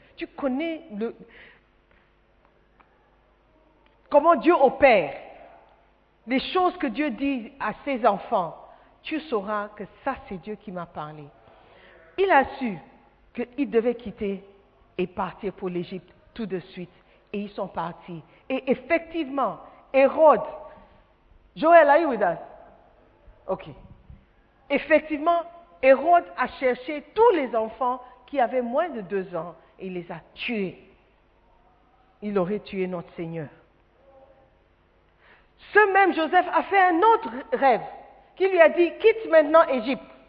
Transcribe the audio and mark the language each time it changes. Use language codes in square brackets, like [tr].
[fr] Tu connais comment Dieu opère, les choses que Dieu dit à ses enfants, tu sauras que ça, c'est Dieu qui m'a parlé. Il a su qu'il devait quitter et partir pour l'Égypte tout de suite. Et ils sont partis. Et effectivement, Hérode, Joël, [en] are you with us? [fr] OK. Effectivement, Hérode a cherché tous les enfants qui avaient moins de 2 ans. Il les a tués. Il aurait tué notre Seigneur. Ce même Joseph a fait un autre rêve qui lui a dit, quitte maintenant Égypte.